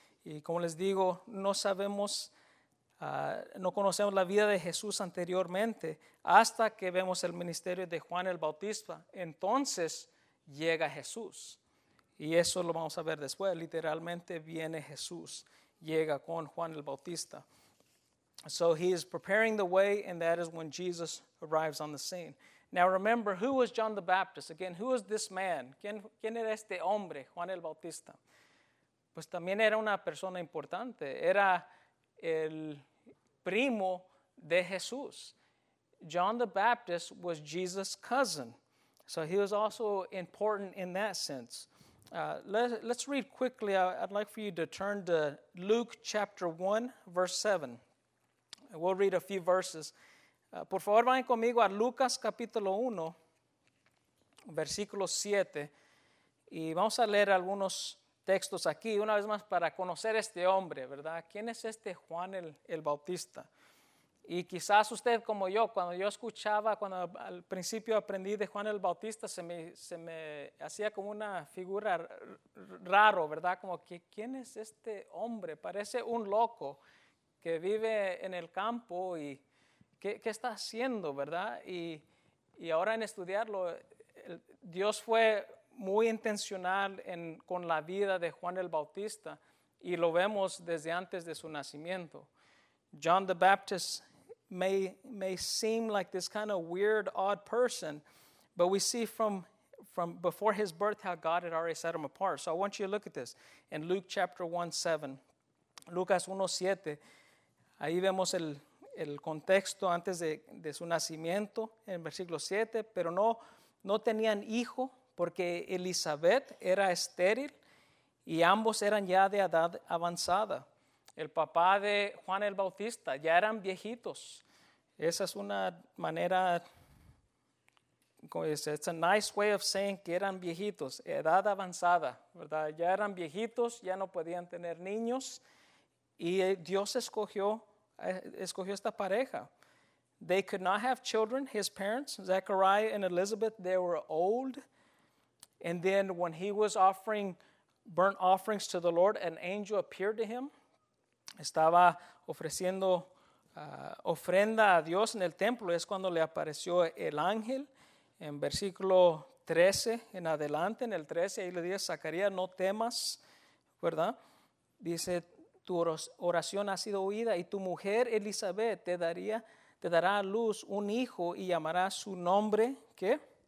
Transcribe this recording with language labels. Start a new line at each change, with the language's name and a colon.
Spanish: Y como les digo, no sabemos, no conocemos la vida de Jesús anteriormente hasta que vemos el ministerio de Juan el Bautista. Entonces, llega Jesús. Y eso lo vamos a ver después. Literalmente, viene Jesús. Llega con Juan el Bautista.
English: So he is preparing the way, and that is when Jesus arrives on the scene. Now remember, who was John the Baptist? Again, who was this man?
Spanish: ¿Quién era este hombre, Juan el Bautista? Pues también era una persona importante. Era el primo de Jesús.
English: John the Baptist was Jesus' cousin. So he was also important in that sense. Let's read quickly. I'd like for you to turn to Luke chapter 1, verse 7. We'll read a few verses.
Spanish: Por favor, vayan conmigo a Lucas capítulo 1, versículo 7. Y vamos a leer algunos textos aquí, una vez más, para conocer este hombre, ¿verdad? ¿Quién es este Juan el Bautista? Y quizás usted como yo, cuando yo escuchaba, cuando al principio aprendí de Juan el Bautista, se me hacía como una figura raro, ¿verdad? Como que, ¿quién es este hombre? Parece un loco que vive en el campo y ¿qué está haciendo, verdad? Y ahora en estudiarlo, Dios fue muy intencional en, con la vida de Juan el Bautista, y lo vemos desde antes de su nacimiento.
English: John the Baptist may seem like this kind of weird, odd person, but we see from before his birth how God had already set him apart. So I want you to look at this in Luke 1:7.
Spanish: Lucas 1:7. Ahí vemos el contexto antes de su nacimiento, en versículo 7. Pero no tenían hijo porque Elizabeth era estéril y ambos eran ya de edad avanzada. El papá de Juan el Bautista ya eran viejitos. Esa es una manera,
English: it's a nice way of saying
Spanish: que eran viejitos, edad avanzada, ¿verdad? Ya eran viejitos, ya no podían tener niños. Y Dios escogió esta pareja.
English: They could not have children, his parents, Zechariah and Elizabeth, they were old. And then when he was offering burnt offerings to the Lord, an angel appeared to him.
Spanish: Estaba ofreciendo ofrenda a Dios en el templo. Es cuando le apareció el ángel en versículo 13 en adelante. En el 13 ahí le dice: Zacarías, no temas, ¿verdad? Dice: tu oración ha sido oída y tu mujer Elizabeth te dará a luz un hijo y llamará su nombre, ¿qué?